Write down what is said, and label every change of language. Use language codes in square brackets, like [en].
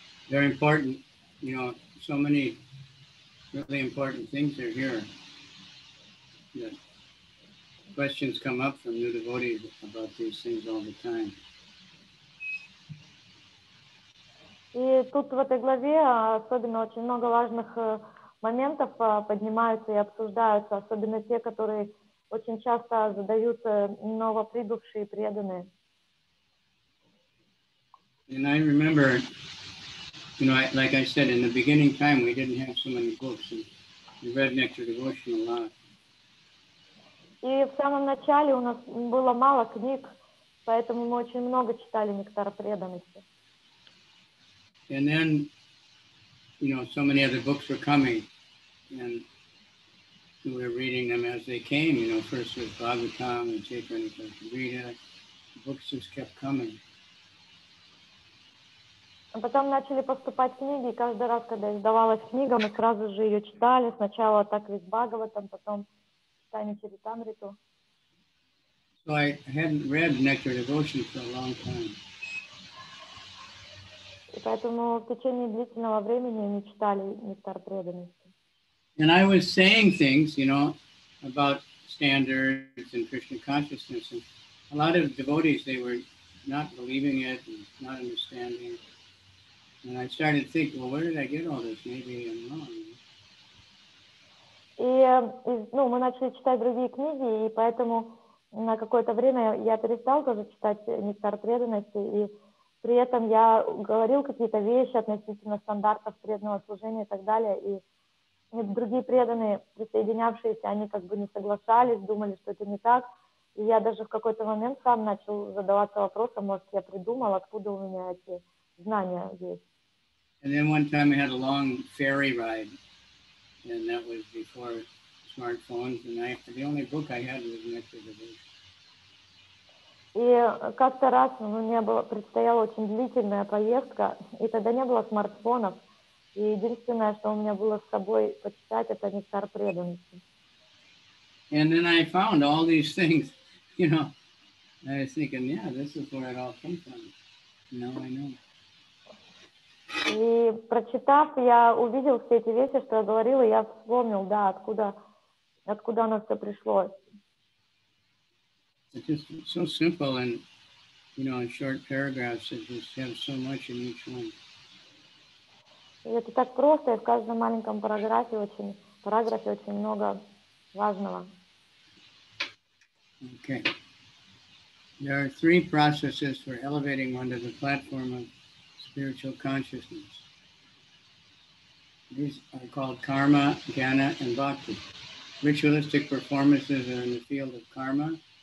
[en] Very important, you know, so many really important things are here. The questions come up from new devotees about these things all the time. [ru] И тут в этой главе особенно очень много важных моментов поднимаются и обсуждаются, особенно те, которые очень часто задают новоприбывшие преданные. [en] And I remember, you know, like I said, in the beginning time we didn't have so many books, and we read Nectar Devotion a lot. [ru] И в самом начале у нас было мало книг, поэтому мы очень много читали Нектар преданности. [en] And then, you know, so many other books were coming, and we were reading them as they came. You know, first was Bhagavatam and Chaitanya-charitamrita. The books just kept coming. [ru] А потом начали поступать книги, и каждый раз, когда издавалась книга, мы сразу же ее читали. Сначала так ведь Бхагаватам, потом Чайтанья-чаритамриту. [en] So I hadn't read Nectar Devotion for a long time. [ru] И поэтому в течение длительного времени не читали Нектар преданности. [en] And I was saying things, you know, about standards and Krishna consciousness. And a lot of devotees, they were not believing it and not understanding. And I started to think, well, where did I get all this? Maybe I'm wrong. [ru] И мы начали читать другие книги, и поэтому на какое-то время я перестал тоже читать Нектар преданности. И при этом я говорил какие-то вещи относительно стандартов преданного служения и так далее, и другие преданные, присоединявшиеся, они как бы не соглашались, думали, что это не так. И я даже в какой-то момент сам начал задаваться вопросом, может, я придумал, откуда у меня эти знания есть. [en] And then one time I had a long ferry ride, and that was before smartphones, and the only book I had was Nectar Devotion. [ru] И как-то раз у меня предстояла очень длительная поездка, и тогда не было смартфонов. И единственное, что у меня было с собой почитать, это Нектар преданности. [en] And then I found all these things, you know. I was thinking, yeah, this is where it all came from. Now I know. [ru] И прочитав, я увидел все эти вещи, что я говорил, и я вспомнил, да, откуда оно все пришло. [en] It's just so simple, and you know, in short paragraphs, it just has so much in each one. [ru] Это так просто, и в каждом маленьком параграфе очень много важного. [en] Okay. There are three processes for elevating one to the platform of spiritual consciousness. These are called karma, jnana, and bhakti. Ritualistic performances are in the field of karma.